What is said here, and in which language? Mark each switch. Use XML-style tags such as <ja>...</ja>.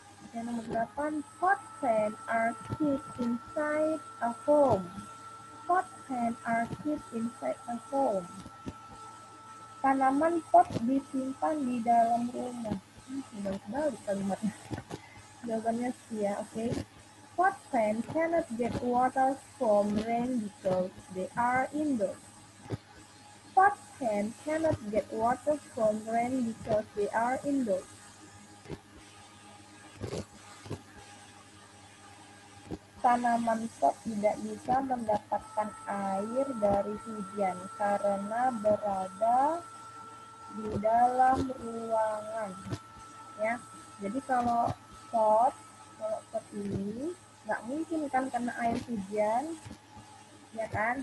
<id>Yang nomor 8,</id> <en>pot plants are kept inside a home. Pot plants are kept inside a home.</en> <id>Tanaman pot disimpan di dalam rumah. Sudah kembali kalimatnya. Jawabannya sih ya, oke.</id> <en>Pot plants cannot get water from rain because they are indoors. Pot plants cannot get water from rain because they are indoors.</en> <id>Tanaman pot tidak bisa mendapatkan air dari hujan karena berada di dalam ruangan. Ya, jadi kalau pot ini nggak mungkin kan kena air hujan, ya kan?</id>